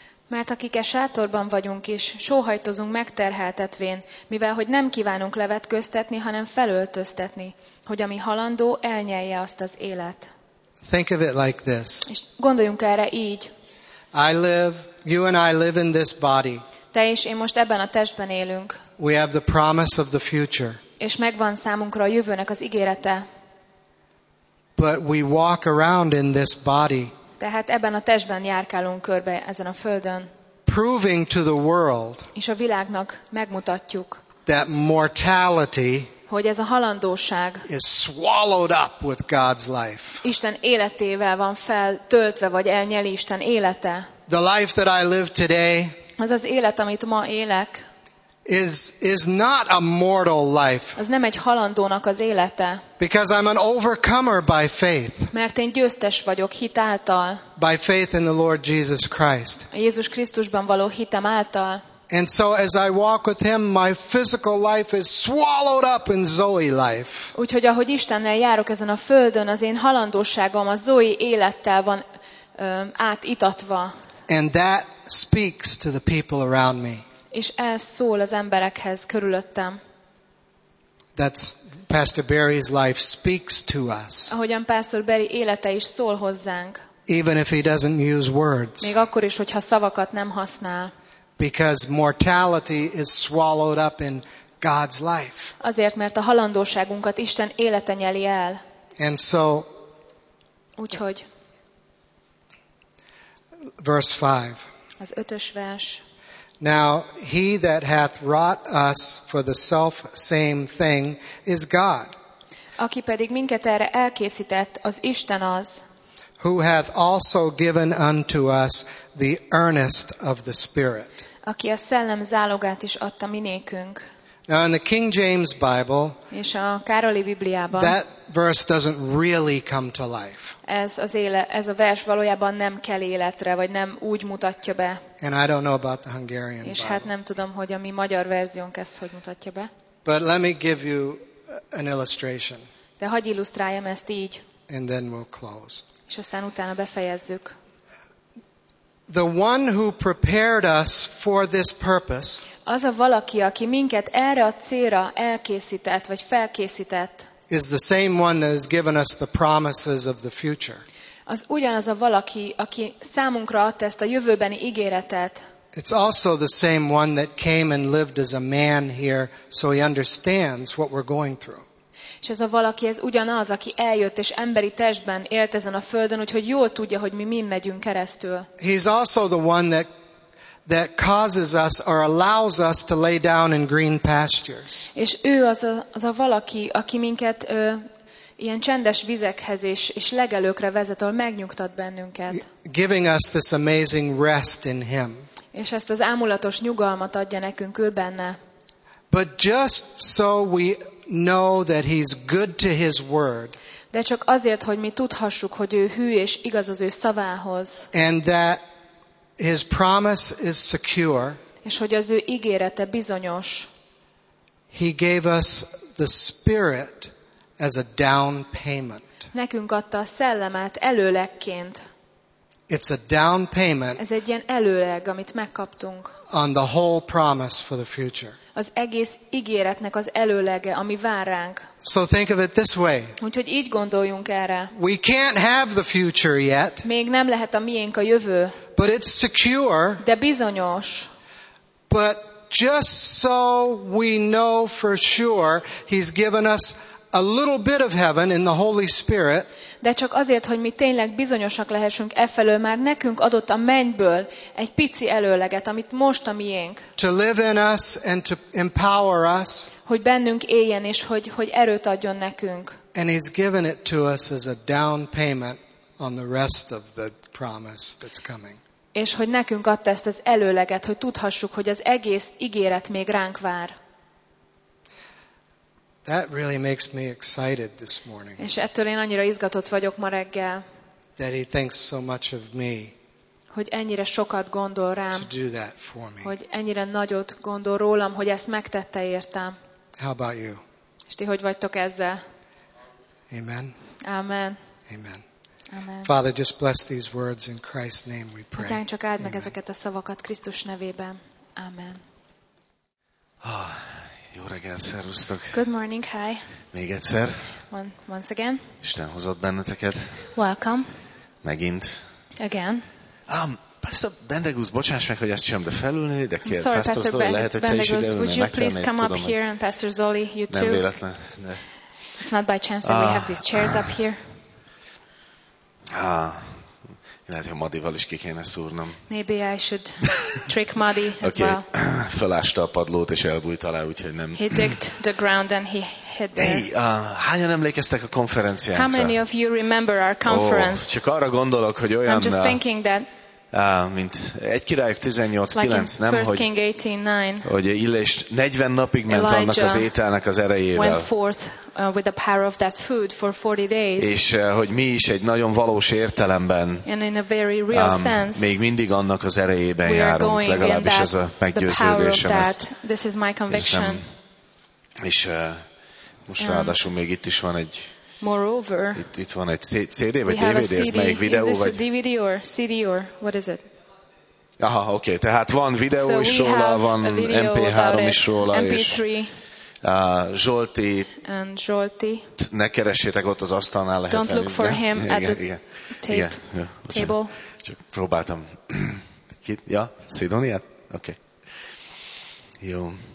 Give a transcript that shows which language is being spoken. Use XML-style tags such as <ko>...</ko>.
<hu>Mert akik e sátorban vagyunk is, sóhajtozunk megterheltetvén, mivel hogy nem kívánunk levetköztetni, hanem felöltöztetni, hogy ami halandó elnyelje azt az élet.</hu> <en>Think of it like this.</en> <hu>És gondoljunk erre így.</hu> <en>I live, you and I live in this body.</en> <hu>Te és én most ebben a testben élünk.</hu> <en>We have the promise of the future.</en> <hu>És megvan számunkra a jövőnek az ígérete.</hu> <en>But we walk around in this body.</en> <hu>Tehát ebben a testben járkálunk körbe ezen a földön.</hu> <en>Proving to the world.</en> <hu>És a világnak megmutatjuk.</hu> <en>That mortality.</en> <hu>Hogy ez a halandóság.</hu> <en>Is swallowed up with God's life.</en> <hu>Isten életével van feltöltve vagy elnyeli Isten élete.</hu> <en>The life that I live today.</en> <hu>Az az élet, amit ma élek.</hu> <en>Is not a mortal life.</en> <hu>Az nem egy halandónak az élete.</hu> <en>Because I'm an overcomer by faith.</en> <hu>Mert én győztes vagyok hit által.</hu> <en>By faith in the Lord Jesus Christ.</en> <hu>A Jézus Krisztusban való hitem által.</hu> <en>And so as I walk with him, my physical life is swallowed up in Zoe life.</en> <hu>Úgyhogy ahogy Istennel járok ezen a földön, az én halandóságom a Zoe élettel van átitatva.</hu> <en>And that speaks to the people around me.</en> <hu>És ez szól az emberekhez körülöttem.</hu> <en>That's Pastor Barry's life speaks to us.</en> <hu>Ahogyan Pastor Barry élete is szól hozzánk.</hu> <en>Even if he doesn't use words.</en> <hu>Még akkor is, hogyha szavakat nem használ.</hu> <en>Because mortality is swallowed up in God's life.</en> <hu>Azért, mert a halandóságunkat Isten élete nyeli el.</hu> <en>And so.</en> <hu>Úgyhogy.</hu> <en>Verse 5.</en> <hu>Az ötös vers.</hu> <en>Now he that hath wrought us for the self same thing is God.</en> <hu>Aki pedig minket erre elkészített, az Isten az.</hu> <en>Who hath also given unto us the earnest of the Spirit.</en> <hu>Aki a szellem zálogát is adta minékünk.</hu> <en>Now in the King James Bible,</en> <hu>és a Károli Bibliában,</hu> <en>that verse doesn't really come to life.</en> <hu>Ez a vers valójában nem kell életre, vagy nem úgy mutatja be.</hu> <en>And I don't know about the Hungarian Bible.</en> <hu>És hát nem tudom, hogy a mi magyar verziónk ezt hogy mutatja be.</hu> <en>But let me give you an illustration.</en> <hu>De hagy illusztráljam ezt így.</hu> <en>And then we'll close.</en> <hu>És aztán utána befejezzük.</hu> <en>The one who prepared us for this purpose.</en> <hu>Az a valaki, aki minket erre a célra elkészített vagy felkészített.</hu> <en>Is the same one that has given us the promises of the future.</en> <hu>Az ugyanaz a valaki, aki számunkra adta ezt a jövőbeni ígéretet.</hu> <en>It's also the same one that came and lived as a man here, so he understands what we're going through.</en> <hu>És ez a valaki, ez ugyanaz, aki eljött és emberi testben élt ezen a földön, úgyhogy jól tudja, hogy mi megyünk keresztül.</hu> <en>He's also the one that causes us or allows us to lay down in green pastures.</en> <hu>És ő az a valaki, aki minket ilyen csendes vizekhez és legelőkre vezet, ahol megnyugtat bennünket.</hu> <en>Giving us this amazing rest in him.</en> <hu>És ezt az ámulatos nyugalmat adja nekünk ő benne.</hu> <en>But just so we know that he's good to his word.</en> <hu>De csak azért, hogy mi tudhassuk, hogy ő hű és igaz az ő szavához.</hu> <en>And that his promise is secure.</en> <hu>És hogy az ő ígérete bizonyos.</hu> <en>He gave us the Spirit as a down payment.</en> <hu>Nekünk adta a szellemet előlegként.</hu> <en>It's a down payment.</en> <hu>Ez egy ilyen előleg, amit megkaptunk.</hu> <en>On the whole promise for the future.</en> <hu>Az egész ígéretnek az előlege, ami vár ránk.</hu> <en>So think of it this way.</en> <hu>Úgyhogy így gondoljunk erre.</hu> <en>We can't have the future yet.</en> <hu>Még nem lehet a miénk a jövő.</hu> <en>But it's secure.</en> <hu>De bizonyos.</hu> <en>But just so we know for sure, he's given us a little bit of heaven in the Holy Spirit.</en> <hu>De csak azért, hogy mi tényleg bizonyosak lehessünk e felől, már nekünk adott a mennyből egy pici előleget, amit most a miénk.</hu> <en>To live in us and to empower us.</en> <hu>Hogy bennünk éljen és hogy erőt adjon nekünk.</hu> <en>And he's given it to us as a down payment on the rest of the promise that's coming.</en> <hu>És hogy nekünk adta ezt az előleget, hogy tudhassuk, hogy az egész ígéret még ránk vár.</hu> <en>That really makes me excited this morning.</en> <hu>És ettől én annyira izgatott vagyok ma reggel.</hu> <en>That he thinks so much of me.</en> <hu>Hogy ennyire sokat gondol rám.</hu> <en>To do that for me.</en> <hu>Hogy ennyire nagyot gondol rólam, hogy ezt megtette értem.</hu> <en>How about you?</en> <hu>És ti hogy vagytok ezzel? Amen. Amen. Amen. Amen.</hu> <en>Father, just bless these words in Christ's name we pray.</en> <hu>Atyánk, csak áld meg ezeket a szavakat Krisztus nevében. Amen. Jó reggelt, szervusztok!</hu> <en>Good morning, hi!</en> <hu>Még egyszer!</hu> <en>Once again!</en> <hu>Isten hozott benneteket!</hu> <en>Welcome!</en> <hu>Megint!</hu> <en>Again!</en> <hu>Pastor Bendegúz, bocsáss meg, hogy ezt sem, de felülni, de kérd,</hu> <en>sorry,</en> <hu>Pastor Zoli, lehet, hogy Bendegúz, te is ide ülni,</hu> <en>would you please come up here and Pastor Zoli, you too?</en> <hu>Nem véletlen, de...</hu> <en>It's not by chance that we have these chairs up here.</en> <hu>Lehet, hogy Madival is ki kéne szúrnom.</hu> <en>Maybe I should trick Madi as okay. Well.</en> <hu>Felásta a padlót és elbújt alá, úgyhogy nem.</hu> <en>He digged the ground and he hid there.</en> <hu>Hey, hányan emlékeztek a konferenciánkra?</hu> <en>How many of you remember our conference?</en> <hu>Csak arra gondolok, hogy olyan.</hu> <en>I'm just thinking that.</en> <hu>Mint egy királyok 18:9,</hu> <en>like</en> <hu>nem, hogy 18:9, hogy Illés 40 napig ment</hu> <en>Elijah</en> <hu>annak az ételnek az erejével.</hu> <en>Went forth with the power of that food for 40 days.</en> <hu>És hogy mi is egy nagyon valós értelemben</hu> <en>sense,</en> <hu>még mindig annak az erejében járunk, legalábbis</hu> <en>that,</en> <hu>ez a meggyőződésem.</hu> <en>That, this is my conviction.</en> <hu>És most ráadásul még itt is van egy</hu> <en>Moreover,</en> <hu>itt van egy CD vagy DVD, ez melyik videó vagy?</hu> <en>Is this a DVD or CD or what is it?</en> <hu>Aha, oké, okay. Tehát van videó is róla, van MP3 is róla, és Zsolti, ne keressétek ott az asztalnál, lehet</hu> <en>Don't look for him at the table.</en> <hu>Csak próbáltam. Ja, Szidóniát? Oké. Okay. Jó.</hu>